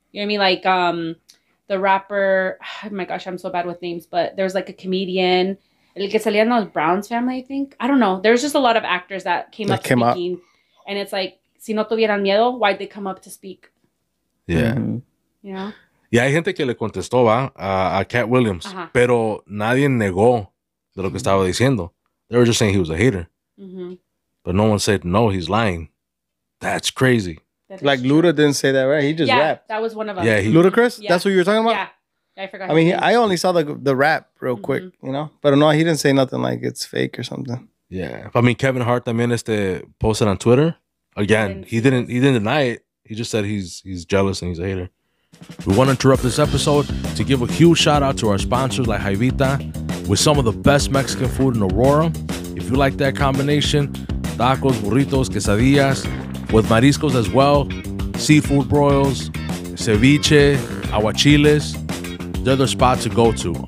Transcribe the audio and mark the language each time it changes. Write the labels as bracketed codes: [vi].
[en] You know what I mean? Like, the rapper, oh my gosh, I'm so bad with names, but there was like a comedian, [es] el que salía en los [en] Browns family, I think. I don't know. There's just a lot of actors that came up speaking. And it's like, [es] si no tuvieran miedo, [en] why'd they come up to speak? Yeah. Mm-hmm. Yeah. [es] Y hay gente que le contestó, ¿va? A Cat Williams. Uh-huh. Pero nadie negó de lo que estaba diciendo. [en] They were just saying he was a hater. Mm-hmm. But no one said, no, he's lying. That's crazy. That like, Luda didn't say that, right? He just rapped. That was one of them. Yeah, Ludacris? Yeah. That's what you were talking about? Yeah. I forgot. I mean, I only saw the rap real quick, you know? But no, he didn't say nothing like it's fake or something. Yeah. I mean, Kevin Hart también posted on Twitter. Again, he didn't deny it. He just said he's jealous and he's a hater. We want to interrupt this episode to give a huge shout out to our sponsors like Jaivita with some of the best Mexican food in Aurora. If you like that combination, tacos, burritos, quesadillas, with mariscos as well, seafood broils, ceviche, aguachiles, they're the spot to go to.